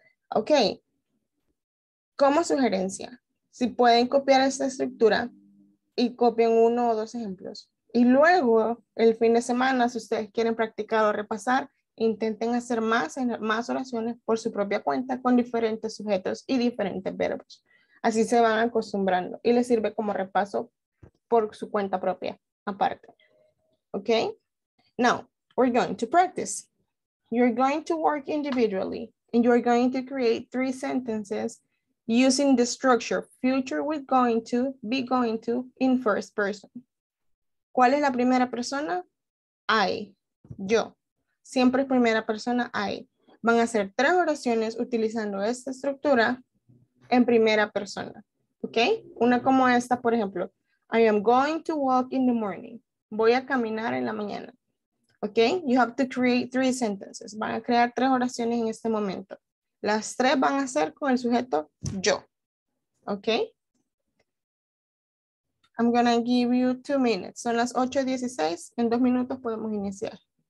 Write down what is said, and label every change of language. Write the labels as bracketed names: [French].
[Spanish] Ok, como sugerencia, si pueden copiar esta estructura y copien uno o dos ejemplos, y luego el fin de semana, si ustedes quieren practicar o repasar, intenten hacer más oraciones por su propia cuenta con diferentes sujetos y diferentes verbos. Así se van acostumbrando y les sirve como repaso por su cuenta propia, aparte. [English] Ok. Now, we're going to practice. You're going to work individually and you're going to create three sentences using the structure future with going to, be going to, in first person. [Spanish] ¿Cuál es la primera persona? I. Yo. Siempre es primera persona, I. Van a hacer tres oraciones utilizando esta estructura en primera persona. ¿Ok? Una como esta, por ejemplo. [English] I am going to walk in the morning. [Spanish] Voy a caminar en la mañana. ¿Ok? [English] You have to create three sentences. [Spanish] Van a crear tres oraciones en este momento. Las tres van a ser con el sujeto yo. ¿Ok? [English] I'm going to give you 2 minutes. [Spanish] Son las 8:16. En 2 minutos podemos iniciar.